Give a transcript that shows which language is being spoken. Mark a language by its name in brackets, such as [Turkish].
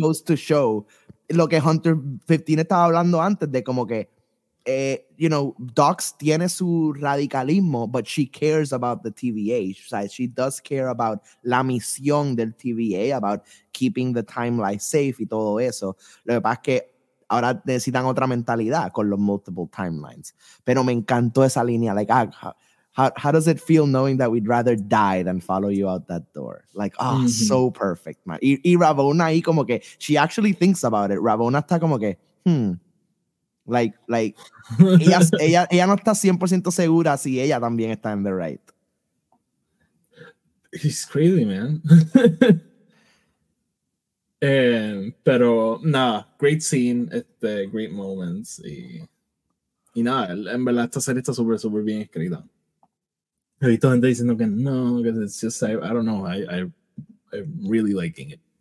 [English] goes to show [Spanish] lo que Hunter 15 estaba hablando antes de como que Docs tiene su radicalismo, [English] but she cares about the TVA. She does care about [Spanish] la misión del TVA, [English] about keeping the timeline safe [Spanish] y todo eso. Lo que pasa es que ahora necesitan otra mentalidad con los [English] multiple timelines. [Spanish] Pero me encantó esa línea. [English] Like, how does it feel knowing that we'd rather die than follow you out that door? Like, so perfect, man. [Spanish] Y Ravonna ahí como que, [English] she actually thinks about it. [Spanish] Ravonna está como que, Like ella no está 100% segura si ella también está en [English] the right. He's crazy, man. [Spanish] pero nada, [English] great scene, great moments [Spanish] y nada, en verdad esta serie está súper, súper bien escrita. He visto gente diciendo que no, que [English] it's just I'm really liking it.